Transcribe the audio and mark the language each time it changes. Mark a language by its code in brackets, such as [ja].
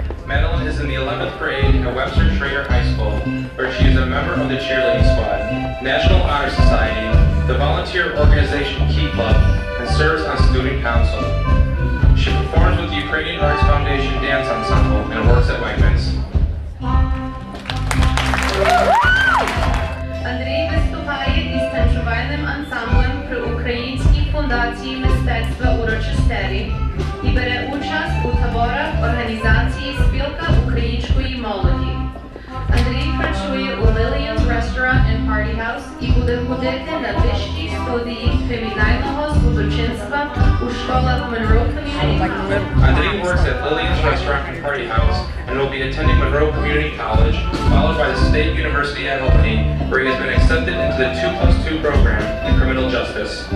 [en] Madalyn is in the 11th grade at Webster Schrader High School, where she is a member of the cheerleading squad, National Honor Society, the volunteer organization Key Club, and serves on student council. She performs with the Ukrainian Arts Foundation Dance Ensemble and works at Wegmans. [uk] Andrei виступає із танцювальним ансамблем при Українській фундації мистецтва у Рочестері і бере участь у таборах організації «Спілка української молоді». Андрій працює у Lillian's Restaurant and Party House і буде ходити на вищі студії кримінального судочинства у школах Monroe Community College. [en] Андрій works at Lillian's Restaurant and Party House and will be attending Monroe Community College, followed by the State University at Albany, where he has been accepted into the 2+2 program in criminal justice.